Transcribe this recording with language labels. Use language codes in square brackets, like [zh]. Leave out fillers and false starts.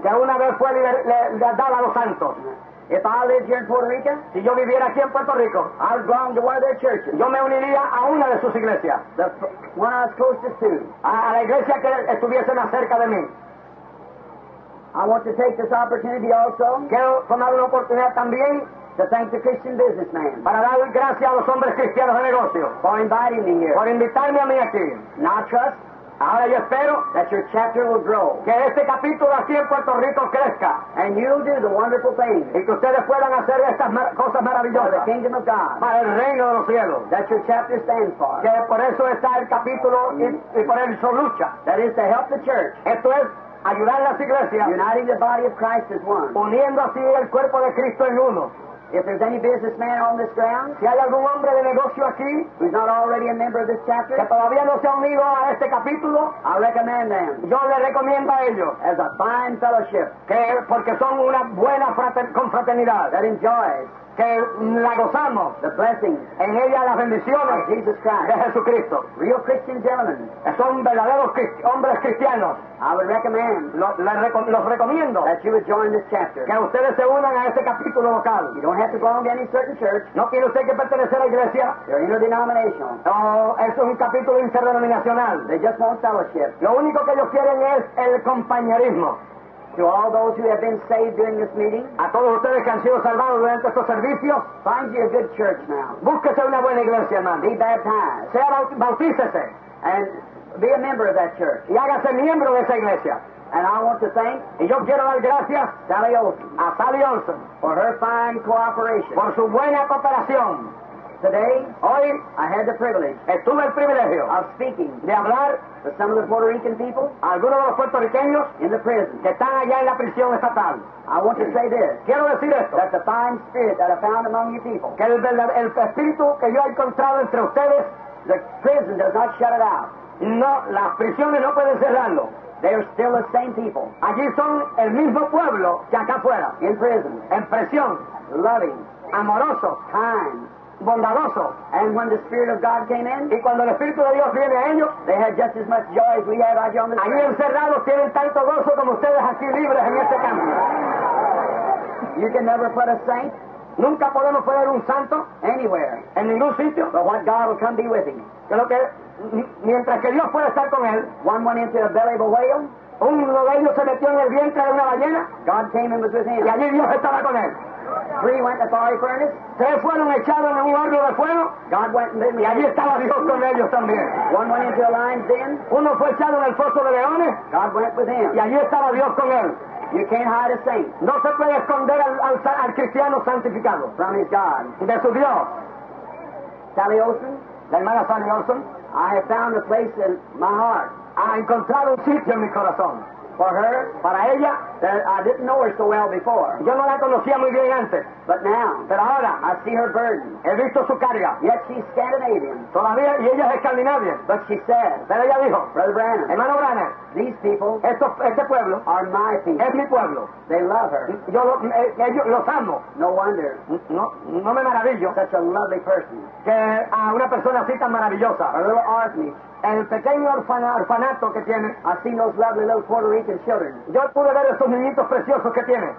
[es] Que una vez fue dada a los santos. [en] If I lived here in Puerto Rico, [es] si yo viviera aquí en Puerto Rico, [en] I'd belong to one of their churches. [es] Yo me uniría a una de sus iglesias. [en] The one I was closest to. [es] A la iglesia que estuviese más cerca de mí. [en] I want to take this opportunity also. [es] Quiero tomar una oportunidad también. [en] To thank the Christian businessman. [es] Para dar gracias a los hombres cristianos de negocio. [en] For inviting me here. [es] Por invitarme a mí aquí. [en] Now trust. [es] Ahora yo espero [en] that your chapter will grow. [es] Que este capítulo aquí en Puerto Rico crezca. [en] And you'll do the wonderful things. [es] Y que ustedes puedan hacer estas cosas maravillosas. [en] For the kingdom of God. [es] Para el reino de los cielos. [en] That your chapter stands for. [es] Que por eso está el capítulo y por eso lucha. [en] That is to help the church. [es] Esto es ayudar a las iglesias. [en] Uniting the body of Christ as one. [es] Uniendo así el cuerpo de Cristo en uno. [en] If there's any businessman on this ground, [es] si hay algún hombre de negocio aquí, [en] who's not already a member of this chapter, [es] que todavía no se ha unido a este capítulo, [en] I recommend them. [es] Yo le recomiendo a ellos, [en] as a fine fellowship, [es] que porque son una buena confraternidad, [en] that enjoys, [es] que la gozamos, [en] the blessings, [es] en ella las bendiciones, [en] of Jesus Christ, [es] de Jesucristo, [en] real Christian gentlemen, [es] son verdaderos hombres cristianos. [en] I would recommend [es] los recomiendo [en] that you would join this chapter. [es] Que ustedes se unan a este capítulo local. [en] You don't have to belong to any certain church. [es] No tiene usted que pertenecer a la iglesia. [en] They're interdenominational. [es] No, es un capítulo interdenominacional. [en] They just want fellowship. [es] Lo único que ellos quieren es el compañerismo. [en] To all those who have been saved during this meeting, [es] a todos ustedes que han sido salvados durante estos servicios, [en] find you a good church now. [es] Búsquese una buena iglesia, hermano. [en] Be baptized. [es] Sea bautícese. [en] And be a member of that church. [es] Y hágase miembro de esa iglesia. [en] And I want to thank, [es] y yo quiero dar gracias, [en] Sally Olson, [es] a Sally Olson, [en] for her fine cooperation, [es] por su buena cooperación. [en] Today, [es] hoy, [en] I had the privilege, [es] estuve el privilegio, [en] of speaking, [es] de hablar, [en] to some of the Puerto Rican people, [es] algunos de los puertorriqueños, [en] in the prison, [es] que están allá en la prisión estatal. [en] I want to say this, [es] quiero decir esto, [en] that the fine spirit that I found among you people, [es] que el espíritu que yo he encontrado entre ustedes, [en] the prison does not shut it out. [es] No, las prisiones no pueden cerrarlo. [en] They are still the same people. [es] Allí son el mismo pueblo que acá afuera. [en] In prison. [es] En prisión. [en] Loving. [es] Amoroso. [en] Kind. [es] Bondadoso. [en] And when the Spirit of God came in, [es] y cuando el Espíritu de Dios viene a ellos, [en] they had just as much joy as we had out here on the street. [es] Allí encerrados tienen tanto gozo como ustedes aquí libres en este campo. [en] You can never put a saint, [es] nunca podemos poner un santo, [en] anywhere, [es] en ningún sitio, [en] but what God will come be with him. [es] Que lo que mientras que Dios pueda estar con él, [en] one went into the belly of a whale, [es] uno de ellos se metió en el vientre de una ballena, [en] God came and was with him, [es] y allí Dios estaba con él. [en] Three went to the fiery furnace, [es] tres fueron echados en un horno de fuego, [en] God went and [es] y allí estaba Dios con ellos también. [en] One went into the lion's den, [es] uno fue echado en el foso de leones, [en] God went with him, [es] y allí estaba Dios con él. [en] You can't hide a saint, [es] no se puede esconder al cristiano santificado, [en] from his God, [es] de su Dios. [en] Sally Olson, [es] la hermana Sally Olson, [en] I have found a place in my heart. [es] Ha encontrado un sitio en mi corazón. [en] For her, [es] para ella, [en] that I didn't know her so well before. [es] Yo no la conocía muy bien antes. [en] But now, [es] pero ahora, [en] I see her burden. [es] He visto su carga. [en] Yet she's Scandinavian. [es] Todavía, y ella es escandinavia. [en] But she said, [es] pero ella dijo, [en] Brother Branham, [es] hermano Branham, [en] these people, [es] este pueblo, [en] are my people. [es] Es mi pueblo. [en] They love her. [es] Yo los amo. [en] No wonder. [es] No me maravillo. [en] Such a lovely person. [es] Que a una persona así tan maravillosa. [en] A little orphanage. [es] El pequeño orfanato que tiene. [en] I see those lovely little Puerto Rican children. [es] Yo pude ver esos niñitos preciosos que tiene.